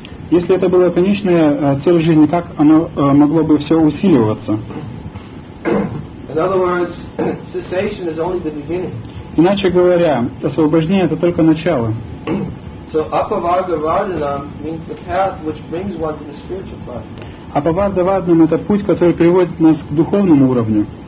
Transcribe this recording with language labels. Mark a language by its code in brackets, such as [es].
[ru] Если это была конечная цель жизни, как оно могло бы все усиливаться? [en] In other words, cessation is only the beginning. [ru] Иначе говоря, освобождение это только начало. [en] So apavarga vardhanam means the path which brings one to the spiritual path. [ru] Апаварга Варданам — это путь, который приводит нас к духовному уровню.